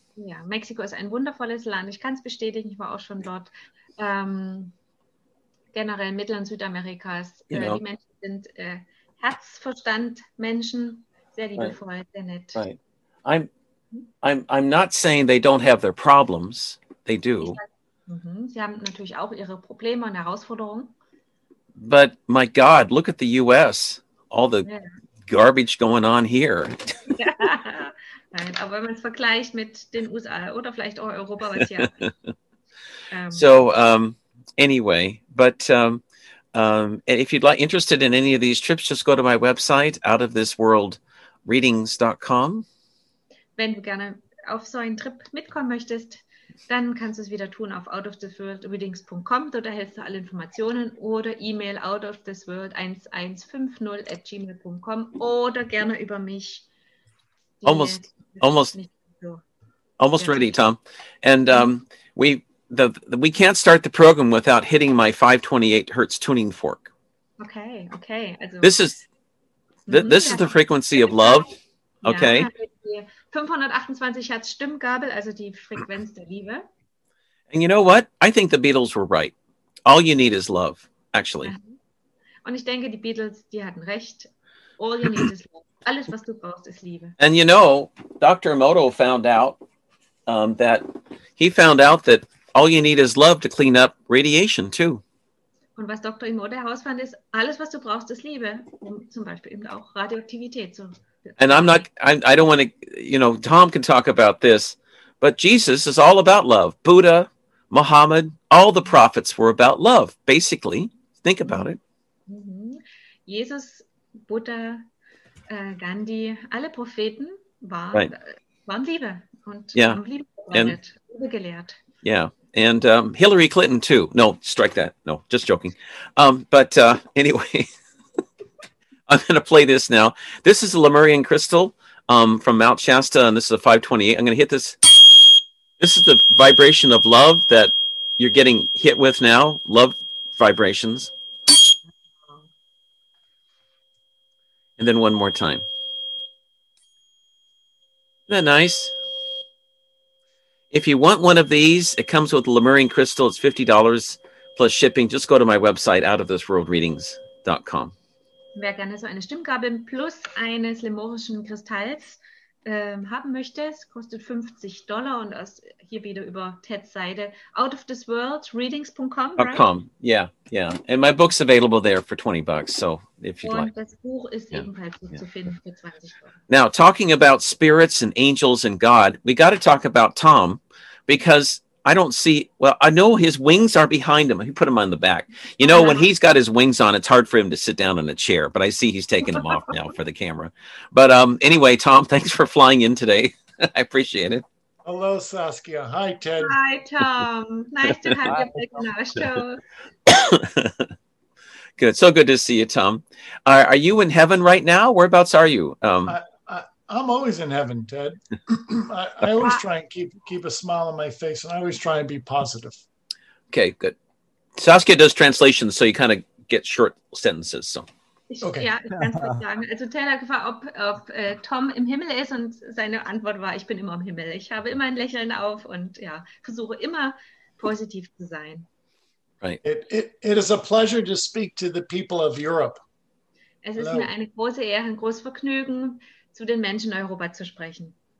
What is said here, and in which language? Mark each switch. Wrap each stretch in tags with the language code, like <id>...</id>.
<de>Yeah, Mexiko ist ein wundervolles Land. Ich kann es bestätigen. Ich war auch schon dort. Generell Mittel- und Südamerikas.</de> <en>You know.</en> <de>Die Menschen sind Herzverstand-Menschen. Sehr liebevoll,</de> <en>right.</en> <de>Sehr nett.</de> <en>Right. I'm not saying they don't have their problems. They do.</en> <de>Sie haben natürlich auch ihre Probleme und Herausforderungen.</de> <en>But my God, look at the U.S. All the garbage going on here.</en> <de>Nein, aber wenn man es vergleicht mit den USA oder vielleicht auch Europa, was hier.</de> <en>If you'd like interested in any of these trips, just go to my website, outofthisworldreadings.com.</en> <de>Wenn du gerne auf so einen Trip mitkommen möchtest, dann kannst du es wieder tun auf outofthisworldreadings.com. Dort erhältst du alle Informationen oder E-Mail outofthisworld1150@gmail.com oder gerne über mich.</de> <en>Almost ready, Tom. And we can't start the program without hitting my 528 Hertz tuning fork. Okay. Also, this is the frequency of love. Okay.</en> <de>Ja, 528 Hertz Stimmgabel, also die Frequenz der Liebe.</de> <en>And you know what? I think the Beatles were right. All you need is love, actually.</en> <de>Und ich denke, die Beatles, die hatten recht.</de> <en>All you need is love.</en> <de>Alles, was du brauchst, ist Liebe.</de> <en>And you know, Dr. Emoto found out that all you need is love to clean up radiation, too.</en> <de>Und was Dr. Emoto herausfand, ist, alles, was du brauchst, ist Liebe. Um zum Beispiel eben auch Radioaktivität zu.</de> <en>And I'm not, I don't want to, you know, Tom can talk about this, but Jesus is all about love. Buddha, Muhammad, all the prophets were about love, basically. Think about it. Mm-hmm.</en> <de>Jesus, Buddha, Gandhi, alle Propheten waren Liebe und haben Liebe gelehrt.</de> <en>Yeah, and Hillary Clinton too. No, strike that. No, just joking. Anyway. I'm going to play this now. This is a Lemurian crystal from Mount Shasta, and this is a 528. I'm going to hit this. This is the vibration of love that you're getting hit with now, love vibrations. And then one more time. Isn't that nice? If you want one of these, it comes with Lemurian Crystal. It's $50 plus shipping. Just go to my website, outofthisworldreadings.com. Wer gerne so eine Stimmgabel plus eines lemurischen Kristalls haben möchte, es kostet $50 und das hier wieder über Teds Seite, outofthisworldreadings.com, right? .com, yeah, yeah. And my book's available there for $20, so if you'd</en> <de>und</de> <en>like.</en> <de>Und das Buch ist yeah. ebenfalls yeah. zu finden für $20.</de> <en>Now, talking about spirits and angels and God, we got to talk about Tom, because I don't see, well, I know his wings are behind him. He put them on the back. You know, when he's got his wings on, it's hard for him to sit down in a chair, but I see he's taking them off now for the camera. But anyway, Tom, thanks for flying in today. I appreciate it. Hello, Saskia. Hi, Ted. Hi, Tom. Nice to have you back on our show. Good. So good to see you, Tom. Are you in heaven right now? Whereabouts are you? I'm always in heaven, Ted. I always try and keep a smile on my face, and I always try and be positive. Okay, good. Saskia does translations, so you kind of get short sentences. So.</en> <de>Okay. Ja, ich kann es nicht sagen. Also Taylor gefragt, ob Tom im Himmel ist, und seine Antwort war, ich bin immer im Himmel. Ich habe immer ein Lächeln auf und ja, versuche immer positiv zu sein.</de> <en>Right. It is a pleasure to speak to the people of Europe.</en> <de>Es ist mir eine große Ehre, ein großes Vergnügen, zu den Menschen in Europa zu sprechen.</de>